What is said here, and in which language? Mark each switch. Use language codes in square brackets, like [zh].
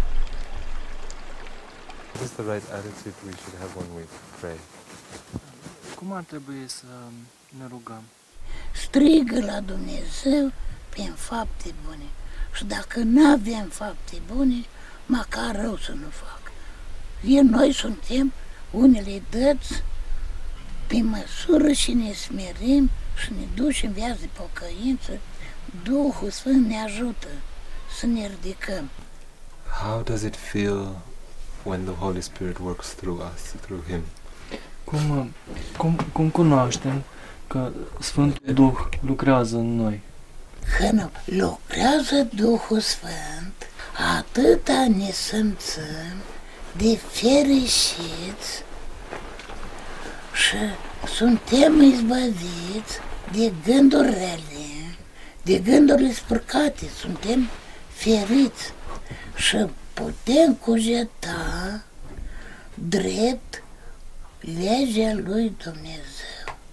[en] What is the right attitude we should have when we pray? [ro] Cum ar trebui să ne rugăm? Strigă la Dumnezeu prin fapte bune. Și dacă n-avem fapte bune, măcar rău să nu fac. Noi suntem unele dăți pe măsură și ne smerim și ne ducem viață de pocăință. Duhul Sfânt ne ajută să ne ridicăm. [en] How does it feel when the Holy Spirit works through us, through Him? [ro] Cum cunoaștem că Sfântul Duh lucrează în noi? Când lucrează Duhul Sfânt, atâta ne simțim de fericiți și suntem izbăviți de gânduri rele, de gândurile spurcate, suntem feriți și putem cugeta drept legea lui Dumnezeu.